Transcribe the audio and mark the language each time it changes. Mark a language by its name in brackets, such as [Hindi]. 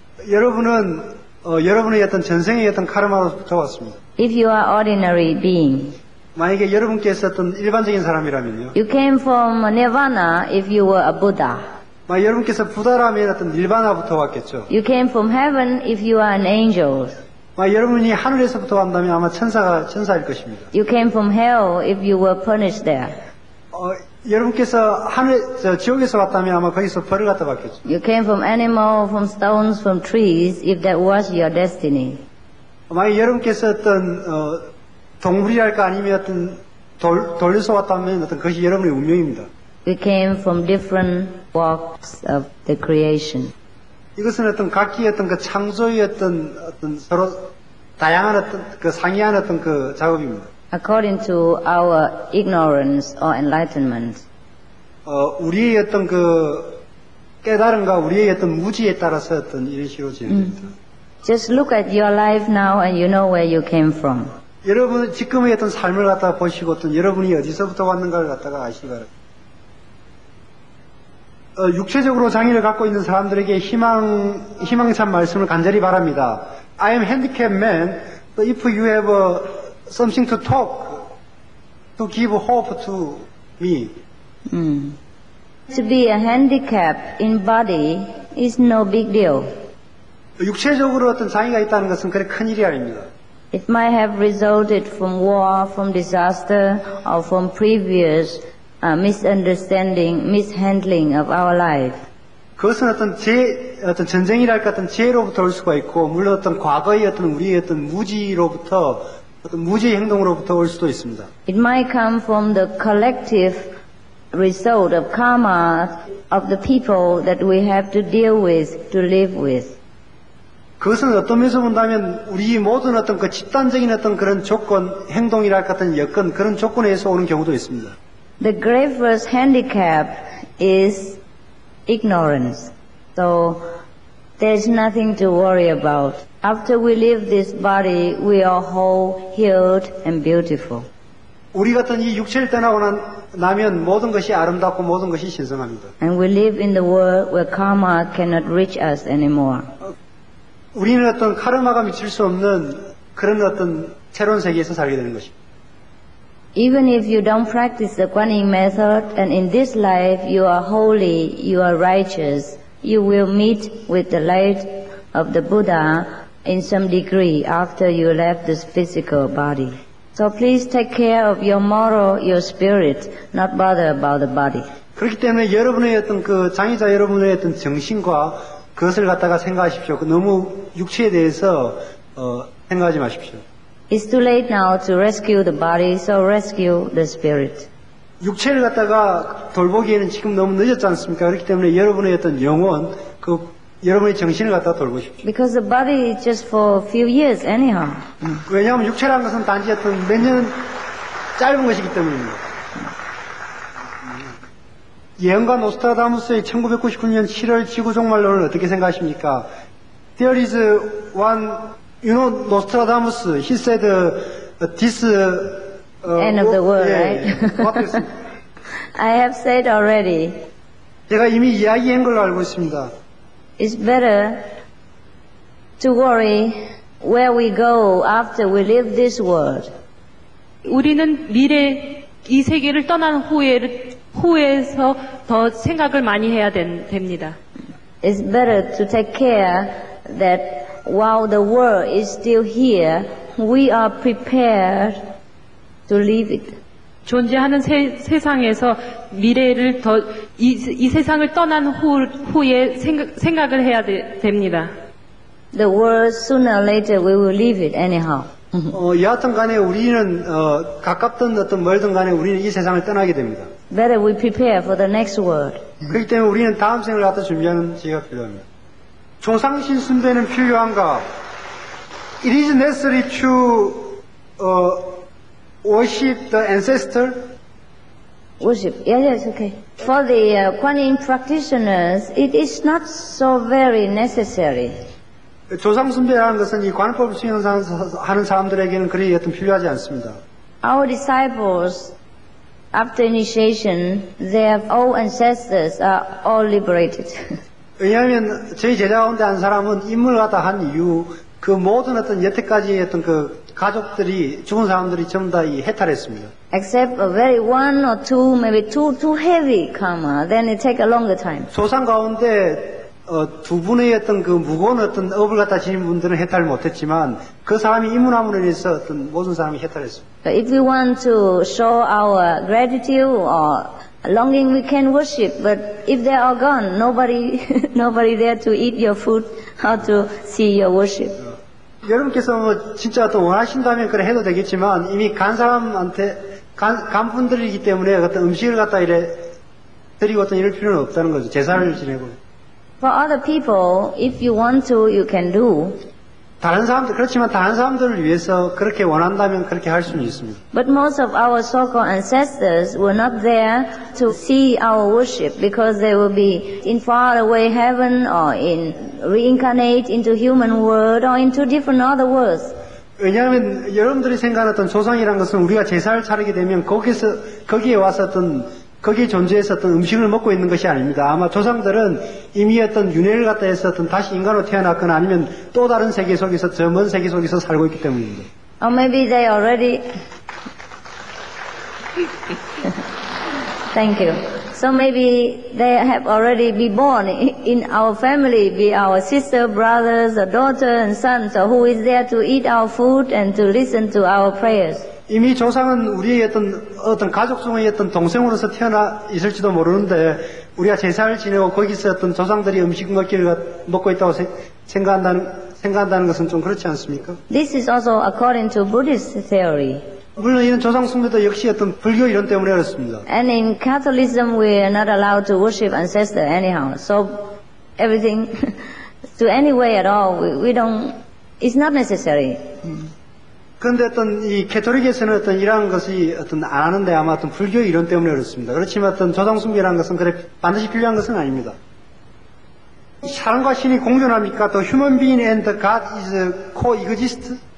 [Korean] 여러분은 여러분의 어떤 전생의 어떤 카르마로부터 왔습니다. [English] If you are ordinary being. [Korean] 만약에 여러분께서 어떤 일반적인 사람이라면요. [English] You came from Nirvana if you were a Buddha. [Korean] 만 여러분께서 부다라면 어떤 일반화부터 왔겠죠. [English] You came from heaven if you are an angel. [Korean] 만 여러분이 하늘에서부터 왔다면 아마 천사일 것입니다. [English] You came from hell if you were punished there. [Korean] 여러분께서 지옥에서 왔다면 아마 거기서 벌을 갖다 받겠죠. [English] You came from animal, from stones, from trees, if that was your destiny. [Korean] 만약 여러분께서 어떤 동물이랄까 아니면 어떤 돌에서 왔다면 어떤 것이 여러분의 운명입니다. [English] We came from different walks of the creation. [Korean] 이것은 어떤 각기 어떤 그 창조의 어떤 서로 다양한 어떤 그 상이한 어떤 그 작업입니다. [English] According to our ignorance or enlightenment. [Korean] 우리의 어떤 그 깨달음과 우리의 어떤 무지에 따라서 어떤 이런 식으로 진행됩니다. [English] Just look at your life now and you know where you came from. [Korean] 여러분 지금의 어떤 삶을 갖다 보시고 어떤 여러분이 어디서부터 왔는가를 갖다가 아시기 바랍니다. 육체적으로 장애를 갖고 있는 사람들에게 희망찬 말씀을 간절히 바랍니다. [English] I am handicapped man, but if you have something to talk, to give hope to me. To be a handicap in body is no big deal. [Korean] 육체적으로 어떤 장애가 있다는 것은 그리 큰 일이 아닙니다. [English] It might have resulted from war, from disaster, or from previous misunderstanding, mishandling of our life. [Korean] 그것은 어떤 전쟁이랄까 어떤 재해로부터 올 수가 있고, 물론 어떤 과거의 어떤 우리의 어떤 무지로부터 어떤 무지의 행동으로부터 올 수도 있습니다. [English] It might come from the collective result of karma of the people that we have to deal with, to live with. [Korean] 그것은 어떤 면에서 본다면 우리 모든 어떤 그 집단적인 어떤 그런 조건, 행동이랄까 어떤 여건, 그런 조건에서 오는 경우도 있습니다. [English] The gravest handicap is ignorance. So there's nothing to worry about. After we leave this body, we are whole, healed, and beautiful. [Korean] 우리 같은 이 육체를 떠나고 나면 모든 것이 아름답고 모든 것이 신성합니다. [English] And we live in the world where karma cannot reach us anymore. [Korean] 우리는 어떤 카르마가 미칠 수 없는 그런 어떤 새로운 세계에서 살게 되는 것입니다. [English] Even if you don't practice the Guan Yin method, and in this life you are holy, you are righteous, you will meet with the light of the Buddha in some degree after you left this physical body. So please take care of your moral, your spirit, not bother about the body. [Korean] 그렇기 때문에 여러분의 어떤 그 장애자 여러분의 어떤 정신과 그것을 갖다가 생각하십시오. 너무 육체에 대해서 생각하지 마십시오. [English] It's too late now to rescue the body, so rescue the spirit. [Korean] 육체를 갖다가 돌보기에는 지금 너무 늦었지 않습니까? 그렇기 때문에 여러분의 어떤 영혼, 그 여러분의 정신을 갖다 돌보십시오. [English] Because the body is just for a few years anyhow. [Korean] 왜냐하면 육체라는 것은 단지 어떤 몇 년 짧은 것이기 때문입니다. 예언가 노스트라다무스의 1999년 7월 지구종말론을 어떻게 생각하십니까? [English] There is one. You know, Nostradamus, he said this... end of the world, yeah, right? I have said already. [Korean] 제가 이미 이야기한 걸로 알고 있습니다. [English] It's better to worry where we go after we leave this world. [Korean] 우리는 미래, 이 세계를 떠난 후에서 더 생각을 많이 해야 됩니다. [English] It's better to take care that while the world is still here, we are prepared to leave it. [Korean] 존재하는 세상에서 미래를 더 이 세상을 떠난 후에 생각을 해야 됩니다. [English] The world sooner or later we will leave it anyhow. [Korean] 여하튼 간에 우리는 가깝든 어떤 멀든 간에 우리는 이 세상을 떠나게 됩니다. [English] Better we prepare for the next world. [Korean] 그렇기 때문에 우리는 다음 생을 갖다 준비하는 시기가 필요합니다. 종상신 순대는 필요한가? [English] It is necessary to worship the ancestor. Worship? Yeah, yes, okay. For the Guan Yin practitioners, it is not so very necessary. [Korean] 조상 숭배라는 것은 이 관음법을 수행하는 사람들에게는 그리 어떤 필요하지 않습니다. [English] Our disciples, after initiation, their old ancestors are all liberated. [Korean] 왜냐하면 저희 제자 가운데 한 사람은 인물 갖다 한 이유, 그 모든 어떤 여태까지의 어떤 그 가족들이 죽은 사람들이 전부 다 해탈했습니다. [English] Except a very one or two, maybe two heavy karma, then it take a longer time. [Korean] 소상 가운데 두 분의 어떤 그 무거운 어떤 업을 갖다 지닌 분들은 해탈 못했지만 그 사람이 이문함으로 인해서 어떤 모든 사람이 해탈했습니다. [English] If we want to show our gratitude or longing, we can worship. But if they are gone, nobody there to eat your food or to see your worship. [Korean] 여러분께서 뭐 진짜 또 원하신다면 그래 해도 되겠지만 이미 간 사람한테 간 분들이기 때문에 어떤 음식을 갖다 이래 드리고 어떤 이럴 필요는 없다는 거죠. 제사를 지내고. [English] For other people, if you want to, you can do. [Korean] 다른 사람들 그렇지만 다른 사람들을 위해서 그렇게 원한다면 그렇게 할 수는 있습니다. [English] But most of our so-called ancestors were not there to see our worship because they will be in far away heaven or in reincarnate into human world or into different other worlds. [Korean] 왜냐하면 여러분들이 생각했던 조상이란 것은 우리가 제사를 차리게 되면 거기에 왔었던 거기에 존재했었던 음식을 먹고 있는 것이 아닙니다. 아마 조상들은 이미 어떤 윤회를 갖다 했었던 다시 인간으로 태어났거나 아니면 또 다른 세계 속에서 저 먼 세계 속에서 살고 있기 때문입니다. [English] Or maybe they already. Thank you. So maybe they have already been born in our family, be our sister, brothers, a daughter, and sons, who is there to eat our food and to listen to our prayers. [Korean] 이미 조상은 우리의 어떤 가족 중의 어떤 동생으로서 태어나 있을지도 모르는데 우리가 제사를 지내고 거기서 어떤 조상들이 음식 먹기를 먹고 있다고 생각한다는 것은 좀 그렇지 않습니까? [English] This is also according to Buddhist theory. [Korean] 물론 이런 조상 숭배도 역시 어떤 불교 이론 때문에 그렇습니다. [English] And in Catholicism, we are not allowed to worship ancestors anyhow. So everything, to any way at all, we don't. It's not necessary. [Korean] 그런데 어떤 이 캐톨릭에서는 어떤 이러한 것이 어떤 안 하는데 아마 어떤 불교의 이론 때문에 그렇습니다. 그렇지만 어떤 조상 숭배라는 것은 그래 반드시 필요한 것은 아닙니다. 사람과 신이 공존합니까? [English] The human being and the God is coexist?